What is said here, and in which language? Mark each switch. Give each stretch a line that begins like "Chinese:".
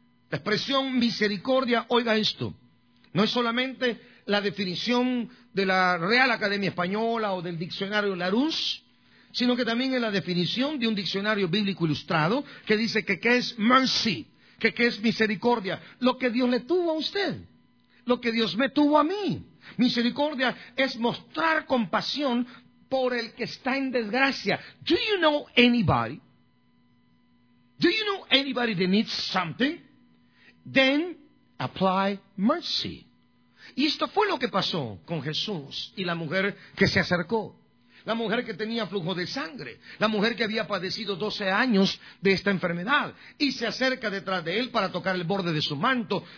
Spanish: La expresión misericordia, oiga esto, no es solamente la definición de la Real Academia Española o del diccionario Larousse, sino que también es la definición de un diccionario bíblico ilustrado que dice que qué es mercy, que es misericordia, lo que Dios le tuvo a usted, lo que Dios me tuvo a mí. Misericordia es mostrar compasión por el que está en desgracia.
English: Do you know anybody? Do you know anybody that needs something? Then apply mercy.
Spanish: Y esto fue lo que pasó con Jesús y la mujer que se acercó. la mujer que tenía flujo de sangre, la mujer que había padecido 12 años de esta enfermedad, y se acerca detrás de él para tocar el borde de su manto.